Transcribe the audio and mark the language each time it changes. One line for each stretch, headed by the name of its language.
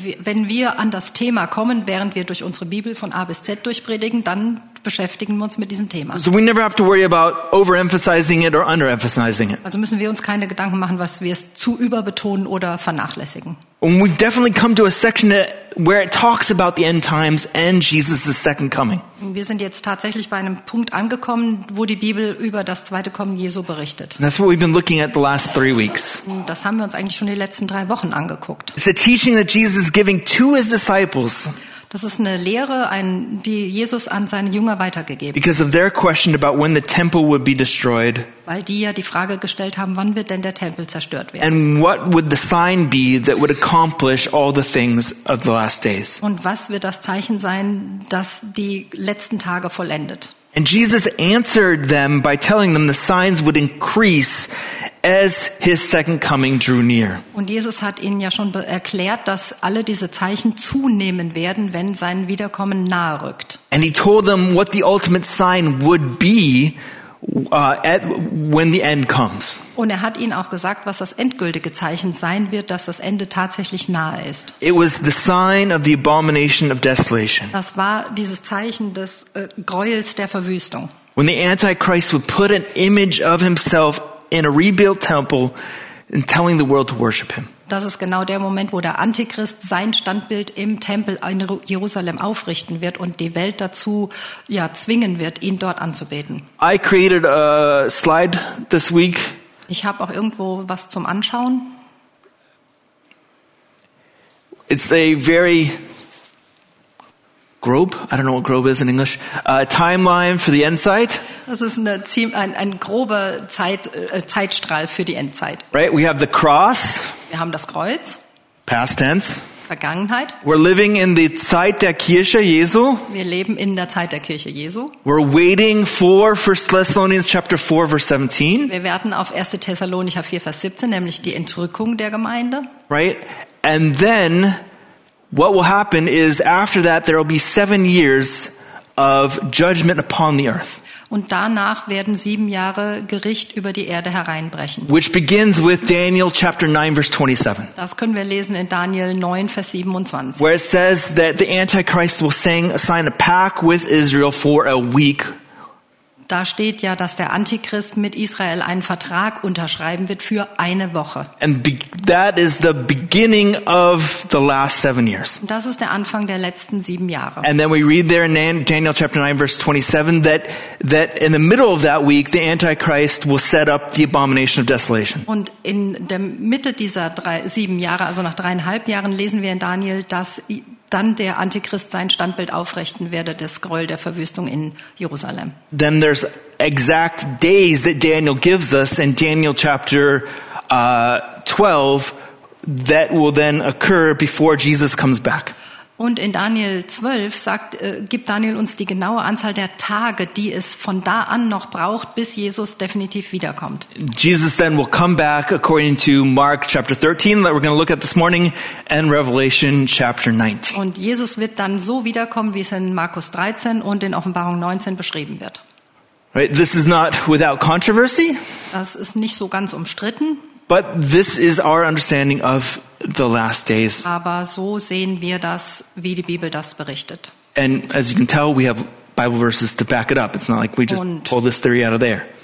German: Wenn wir an das Thema kommen, während wir durch unsere Bibel von A bis Z durchpredigen, dann beschäftigen wir uns mit diesem Thema.
English: So we never have to worry about overemphasizing it or underemphasizing it.
German: Also müssen wir uns keine Gedanken machen, was wir es zu überbetonen oder vernachlässigen.
English: And we've definitely come to a section where it talks about the end times and Jesus' second coming.
German: Wir sind jetzt tatsächlich bei einem Punkt angekommen, wo die Bibel über das zweite Kommen Jesu berichtet.
English: That's what we've been looking at the last 3 weeks.
German: Das haben wir uns eigentlich schon die letzten 3 Wochen angeguckt.
English: It's a teaching that Jesus is giving to his disciples.
German: Das ist eine Lehre, die Jesus an seine Jünger weitergegeben hat.
English: Because of their question about when the temple would be destroyed.
German: Weil die ja die Frage gestellt haben, wann wird denn der Tempel zerstört werden?
English: And what would the sign be that would accomplish all the things of the last days?
German: Und was wird das Zeichen sein, das die letzten Tage vollendet?
English: And Jesus answered them by telling them the signs would increase as his second coming drew near.
German: Und Jesus hat ihnen ja schon erklärt, dass alle diese Zeichen zunehmen werden, wenn sein Wiederkommen nahe rückt.
English: And he told them what the ultimate sign would be when the end comes.
German: Und er hat ihnen auch gesagt, was das endgültige Zeichen sein wird, dass das Ende tatsächlich nahe ist.
English: It was the sign of the abomination of desolation.
German: Das war dieses Zeichen des Greuels der Verwüstung.
English: When the Antichrist would put an image of himself in a rebuilt temple and telling the world to worship him.
German: Das ist genau der Moment, wo der Antichrist sein Standbild im Tempel in Jerusalem aufrichten wird und die Welt dazu ja zwingen wird, ihn dort anzubeten.
English: I created a slide this week.
German: Ich habe auch irgendwo was zum Anschauen.
English: It's a very grob, I don't know what grob is in English, timeline for the end site.
German: Das ist ein grober Zeitstrahl für die Endzeit.
English: Right, we have the cross.
German: Wir haben das Kreuz.
English: Past tense.
German: Vergangenheit.
English: We're living in the
German: Zeit der Kirche Jesu. Wir leben in der Zeit der Kirche Jesu.
English: We're waiting for 1 Thessalonians chapter 4 verse 17.
German: Wir warten auf 1. Thessalonicher 4 Vers 17, nämlich die Entrückung der Gemeinde.
English: Right, and then what will happen is after that there will be 7 years of judgment upon the earth.
German: Und danach werden 7 Jahre Gericht über die Erde hereinbrechen.
English: Which begins with Daniel chapter 9 verse 27.
German: Das können wir lesen in Daniel 9 Vers 27.
English: Where it says that the Antichrist will sign a pact with Israel for a week.
German: Da steht ja, dass der Antichrist mit Israel einen Vertrag unterschreiben wird für eine Woche.
English: And that is the beginning of the last 7 years.
German: Und das ist der Anfang der letzten 7 Jahre.
English: And then we read there in Daniel chapter 9 verse 27 that in the middle of that week the Antichrist will set up the abomination of desolation.
German: Und in der Mitte dieser 7 Jahre, also nach 3,5 Jahren, lesen wir in Daniel, dass dann der Antichrist sein Standbild aufrichten werde, das Gräuel der Verwüstung in Jerusalem.
English: Then there's exact days that Daniel gives us in Daniel chapter 12 that will then occur before Jesus comes back.
German: Und in Daniel 12 gibt Daniel uns die genaue Anzahl der Tage, die es von da an noch braucht, bis Jesus definitiv wiederkommt.
English: Jesus then will come back according to Mark chapter 13 that we're going to look at this morning and Revelation chapter 19.
German: Und Jesus wird dann so wiederkommen, wie es in Markus 13 und in Offenbarung 19 beschrieben wird.
English: Right, this is not without controversy.
German: Das ist nicht so ganz umstritten.
English: But this is our understanding of the last days.
German: Aber so sehen wir das, wie die Bibel das berichtet.
English: And as you can tell, we have Bible verses to back it up. It's not like we just pull this theory out of there.